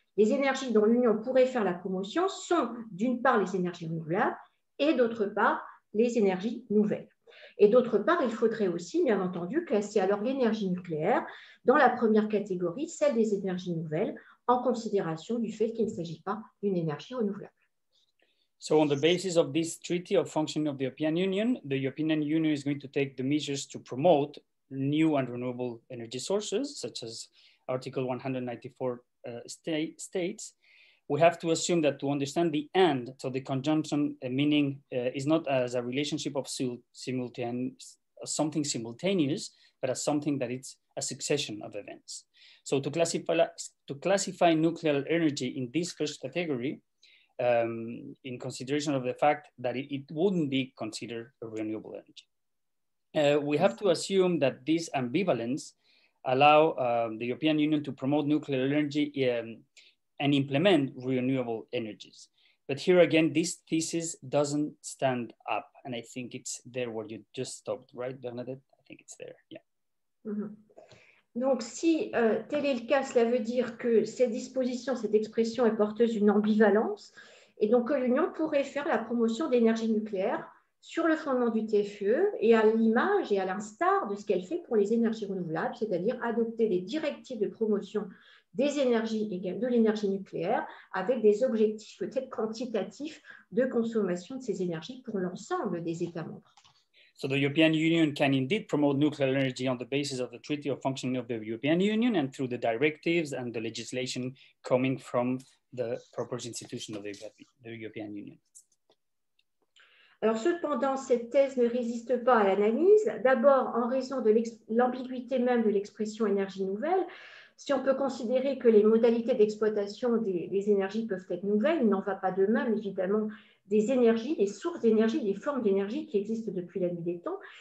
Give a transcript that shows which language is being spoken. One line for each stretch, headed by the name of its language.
French: Les énergies dont l'Union pourrait faire la promotion sont d'une part les énergies renouvelables et d'autre part les énergies nouvelles. Et d'autre part, il faudrait aussi, bien entendu, classer alors l'énergie nucléaire dans la première catégorie, celle des énergies nouvelles, en considération du fait qu'il ne s'agit pas d'une énergie renouvelable.
English: So on the basis of this treaty of functioning of the European Union, the European Union is going to take the measures to promote new and renewable energy sources, such as Article 194 states. We have to assume that to understand the end, so the conjunction meaning is not as a relationship of something simultaneous, but as something that it's a succession of events. So to classify nuclear energy in this first category, in consideration of the fact that it wouldn't be considered a renewable energy. We have to assume that this ambivalence allow the European Union to promote nuclear energy and implement renewable energies. But here again, this thesis doesn't stand up. And I think it's there where you just stopped, right, Bernadette? I think it's there, yeah. Mm-hmm.
French: Donc, si tel est le cas, cela veut dire que cette disposition, cette expression est porteuse d'une ambivalence et donc que l'Union pourrait faire la promotion d'énergie nucléaire sur le fondement du TFUE et à l'image et à l'instar de ce qu'elle fait pour les énergies renouvelables, c'est-à-dire adopter des directives de promotion des énergies de l'énergie nucléaire avec des objectifs peut-être quantitatifs de consommation de ces énergies pour l'ensemble des États membres.
English: So the European Union can indeed promote nuclear energy on the basis of the Treaty of Functioning of the European Union and through the directives and the legislation coming from the proper institution of the European Union.
French: Alors cependant, cette thèse ne résiste pas à l'analyse. D'abord, en raison de l'ambiguïté même de l'expression énergie nouvelle, si on peut considérer que les modalités d'exploitation des énergies peuvent être nouvelles, il n'en va pas de même, évidemment, des énergies, des sources d'énergie, des formes d'énergie qui existent depuis la nuit des temps.